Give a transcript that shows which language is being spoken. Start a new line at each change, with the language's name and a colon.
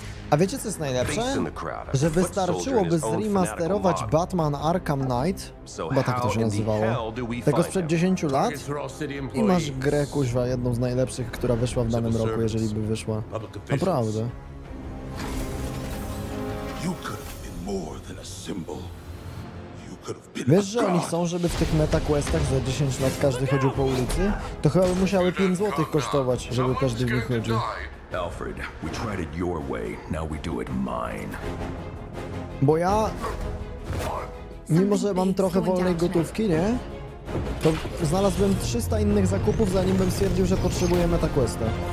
Polish: A wiecie, co jest najlepsze? Że wystarczyłoby zremasterować Batman Arkham Knight, bo tak to się nazywało, tego sprzed 10 lat i masz grę, kuźwa, jedną z najlepszych, która wyszła w danym roku, jeżeli by wyszła. Naprawdę.
English: You could have been more than a symbol.
Polish: Wiesz, że oni chcą, żeby w tych metaquestach za 10 lat każdy chodził po ulicy? To chyba by musiały 5 zł kosztować, żeby każdy w nich chodził.
English: Alfred, we tried it your way, now we do it mine.
Polish: Bo ja... Mimo, że mam trochę wolnej gotówki, nie? To znalazłbym 300 innych zakupów, zanim bym stwierdził, że potrzebuję metaquesta.